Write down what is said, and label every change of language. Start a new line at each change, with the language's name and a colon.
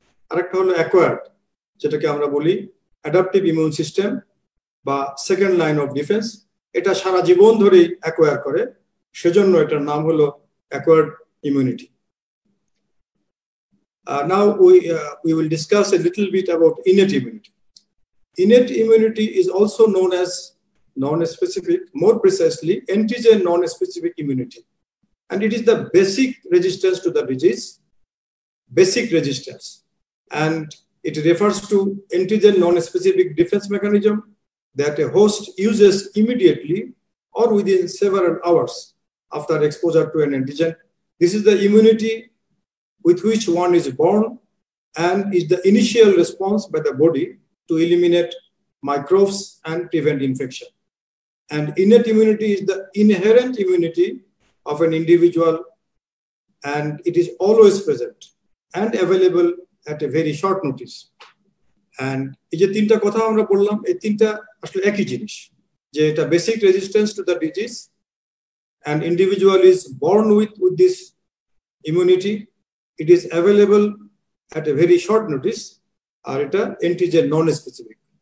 Bangla: আর একটা হলো অ্যাকোয়ার্ড, যেটাকে আমরা বলি অ্যাডাপটিভ ইমিউন সিস্টেম বা সেকেন্ড লাইন অফ ডিফেন্স। এটা সারা জীবন ধরেই অ্যাকোয়ার করে, সেজন্য এটার নাম হলো acquired immunity.
English: Now we will discuss a little bit about innate immunity. Innate immunity is also known as non-specific, more precisely antigen non-specific immunity, and it is the basic resistance to the disease, basic resistance, and it refers to antigen non-specific defense mechanism that a host uses immediately or within several hours after exposure to an antigen. This is the immunity with which one is born and is the initial response by the body to eliminate microbes and prevent infection. And innate immunity is the inherent immunity of an individual, and it is always present and available at a very short notice. And
Bangla: এই যে তিনটা কথা আমরা বললাম, এই তিনটা আসলে একই জিনিস, যে এটা
English: basic resistance to the disease, and individual is born with this immunity, it is available at a very short notice,
Bangla: আর এটা
English: Antigen non specific.